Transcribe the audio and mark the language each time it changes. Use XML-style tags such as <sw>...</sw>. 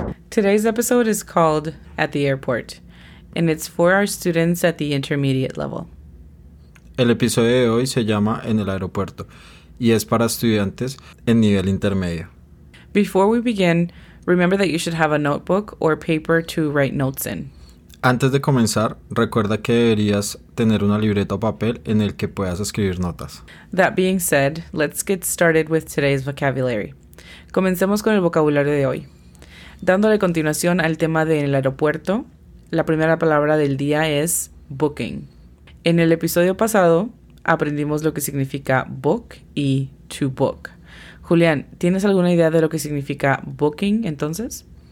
<en>Today's episode is called At the Airport, and it's for our students at the intermediate level.</en> <es>El episodio de hoy se llama En el aeropuerto, y es para estudiantes en nivel intermedio.</es> <en>Before we begin, remember that you should have a notebook or paper to write notes in.</en> <es>Antes de comenzar, recuerda que deberías tener una libreta o papel en el que puedas escribir notas.</es> <en>That being said, let's get started with today's vocabulary.</en> <es>Comencemos con el vocabulario de hoy. Dándole continuación al tema de en el aeropuerto, la primera palabra del día es booking. En el episodio pasado, aprendimos lo que significa book y to book. Julián, ¿tienes alguna idea de lo que significa booking entonces?</es>